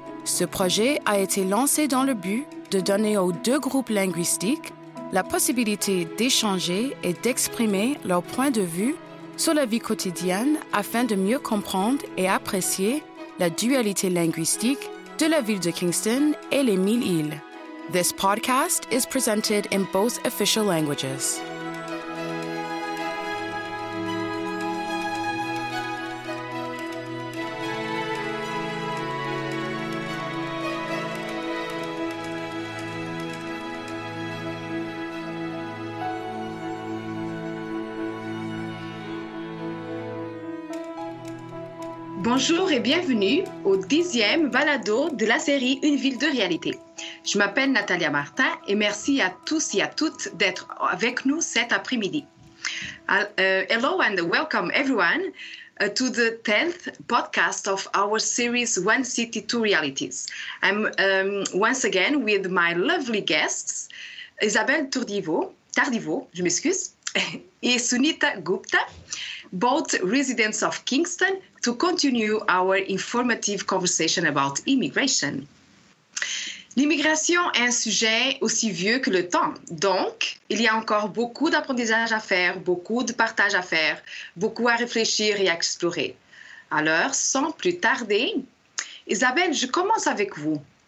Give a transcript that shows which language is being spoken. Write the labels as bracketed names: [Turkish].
[French] Ce projet a été lancé dans le but de donner aux deux groupes linguistiques la possibilité d'échanger et d'exprimer leur point de vue sur la vie quotidienne afin de mieux comprendre et apprécier la dualité linguistique de la ville de Kingston et les Mille Îles. [English] This podcast is presented in both official languages. [French] Bonjour et bienvenue au 10e balado de la série Une ville de réalité. Je m'appelle Natalia Martin et merci à tous et à toutes d'être avec nous cet après-midi. [English] Hello and welcome everyone to the 10th podcast of our series One City, Two Realities. I'm once again with my lovely guests, Isabelle Tardivo, and Sunita Gupta, both residents of Kingston, to continue our informative conversation about immigration. [French] L'immigration est un sujet aussi vieux que le temps. Donc, il y a encore beaucoup d'apprentissage à faire, beaucoup de partage à faire, beaucoup à réfléchir et à explorer. Alors, sans plus tarder, Isabelle, je commence avec vous.